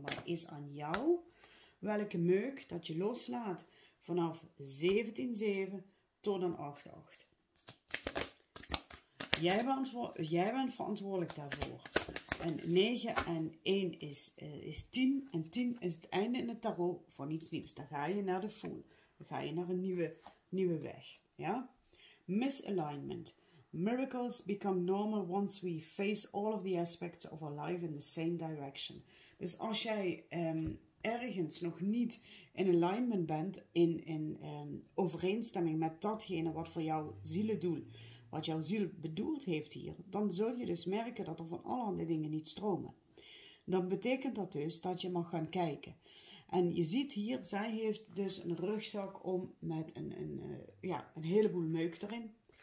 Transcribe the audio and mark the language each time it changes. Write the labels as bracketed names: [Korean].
[Dutch] Maar het is aan jou welke meuk dat je loslaat vanaf 17-7 tot een 8-8. Jij bent verantwoordelijk daarvoor. En 9 en 1 is 10. En 10 is het einde in het tarot van iets nieuws. Dan ga je naar de full. Dan ga je naar een nieuwe weg. Ja? Misalignment. [English] Miracles become normal once we face all of the aspects of our life in the same direction. [Dutch] Dus als jij ergens nog niet in alignment bent, in overeenstemming met datgene wat voor jouw zielendoel, wat jouw ziel bedoeld heeft hier, dan zul je dus merken dat er van allerhande dingen niet stromen. Dan betekent dat dus dat je mag gaan kijken. En je ziet hier, zij heeft dus een rugzak om met een heleboel meuk erin.